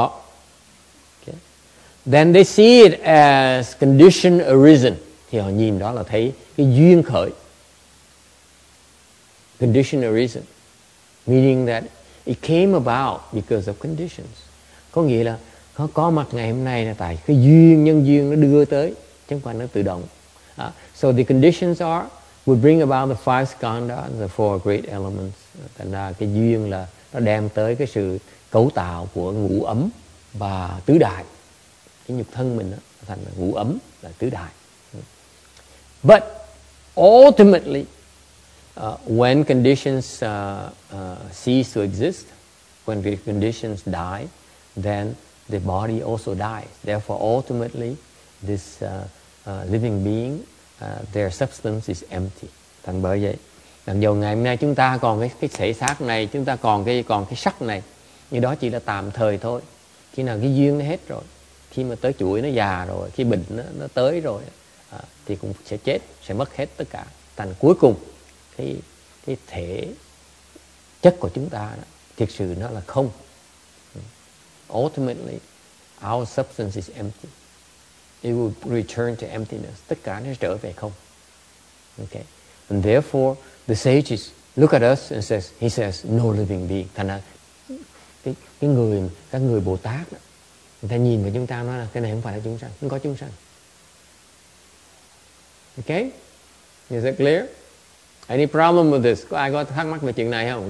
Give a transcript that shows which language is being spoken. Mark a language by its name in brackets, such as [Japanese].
[English] Okay. Then they see it as condition arisen. [Vietnamese] Thì họ nhìn đó là thấy cái duyên khởi. [English] Condition arisen. Meaning that it came about because of conditions. [Vietnamese] Có nghĩa là có mặt ngày hôm nay là tại cái duyên, nhân duyên nó đưa tới. Chứ không phải nó tự động. [English] So the conditions are, we bring about the five skandha, the four great elements. [Vietnamese] Thành ra cái duyên là nó đem tới cái sự cấu tạo của ngũ ấm và tứ đại. Cái nhục thân mình đó, thành ngũ ấm và tứ đại. [English] But ultimately, when conditions cease to exist, when the conditions die, then the body also dies. Therefore, ultimately, this living being, their substance is empty. [Vietnamese] Thành bởi vậy. Làm dầu ngày hôm nay chúng ta còn cái thể xác này, chúng ta còn cái sắc này, nhưng đó chỉ là tạm thời thôi. Khi nào cái duyên nó hết rồi, khi mà tới chuỗi nó già rồi, khi bệnh nó tới rồi, thì cũng sẽ chết, sẽ mất hết tất cả. Thành cuối cùng cái thể chất của chúng ta đó, thực sự nó là không. [English] Ultimately, our substance is empty. It will return to emptiness. [Vietnamese] Tất cả nó trở về không. Okay. [English] And therefore, the sages look at us and says, he says, no living being. [Vietnamese] Thành ra, cái người, các người Bồ Tát đó, người ta nhìn vào chúng ta nói là cái này không phải là chúng sanh, không có chúng sanh. [English] Okay? Is that clear? Any problem with this? [Vietnamese] Có ai có thắc mắc về chuyện này không?